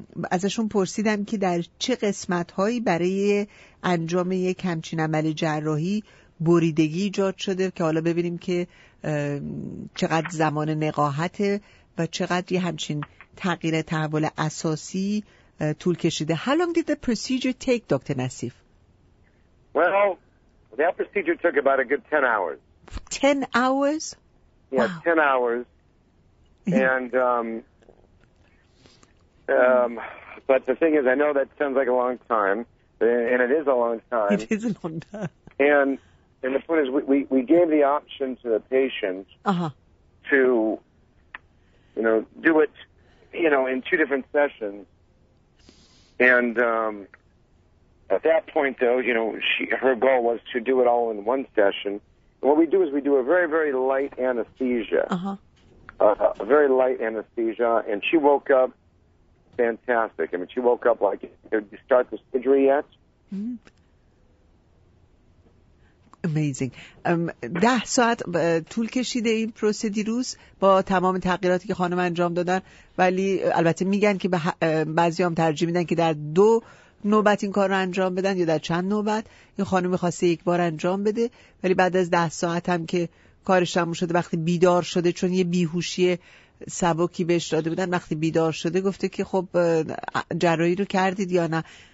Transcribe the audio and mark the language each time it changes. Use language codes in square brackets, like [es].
[fa] ازشون پرسیدم که در چه قسمت هایی برای انجام یک همچین عمل جراحی بریدگی ایجاد شده، که حالا ببینیم که چقدر زمان نقاهته و چقدر یه همچین تغییر تحول اساسی طول کشیده. [en] How long did the procedure take, Dr. Nassif? Well, that procedure took about a good 10 hours. 10 hours? Yeah, wow. 10 hours. And, but the thing is, I know that sounds like a long time, and it is a long time. It is a long time. And the point is, we gave the option to the patient to, you know, do it, you know, in two different sessions. And at that point, though, you know, her goal was to do it all in one session. And what we do is we do a very, very light anesthesia, a very light anesthesia. And she woke up fantastic. I mean, she woke up like, did you start the surgery yet? Mm-hmm. Amazing. [fa] 10 ساعت طول کشیده این پروسدیروز با تمام تغییراتی که خانم انجام دادن، ولی البته میگن که بعضی هم ترجیح میدن که در دو نوبت این کار رو انجام بدن یا در چند نوبت. این خانم خواسته یک بار انجام بده، ولی بعد از 10 ساعت هم که کارش تموم شده، وقتی بیدار شده، چون یه بیهوشی سبکی بهش داده بودن، وقتی بیدار شده گفته که خب جراحی رو کردید یا نه.